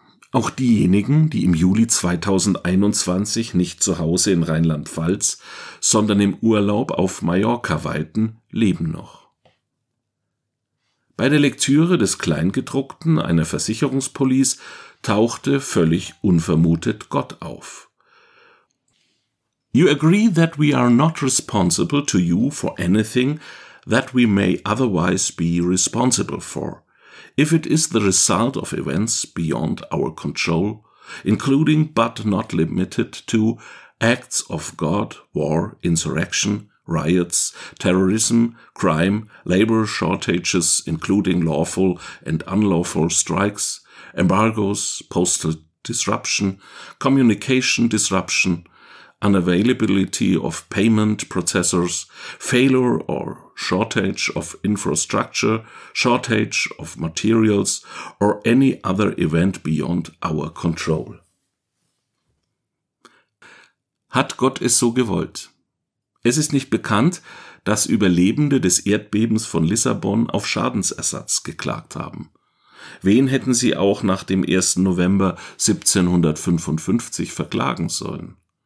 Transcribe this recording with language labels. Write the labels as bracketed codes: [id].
[de] Auch diejenigen, die im Juli 2021 nicht zu Hause in Rheinland-Pfalz, sondern im Urlaub auf Mallorca weilten, leben noch. Bei der Lektüre des Kleingedruckten einer Versicherungspolice tauchte völlig unvermutet Gott auf. [en] You agree that we are not responsible to you for anything that we may otherwise be responsible for. If it is the result of events beyond our control, including but not limited to acts of God, war, insurrection, riots, terrorism, crime, labor shortages, including lawful and unlawful strikes, embargoes, postal disruption, communication disruption, unavailability of payment processors, failure or shortage of infrastructure, shortage of materials, or any other event beyond our control. [de] Hat Gott es so gewollt? Es ist nicht bekannt, dass Überlebende des Erdbebens von Lissabon auf Schadensersatz geklagt haben. Wen hätten sie auch nach dem 1. November 1755 verklagen sollen?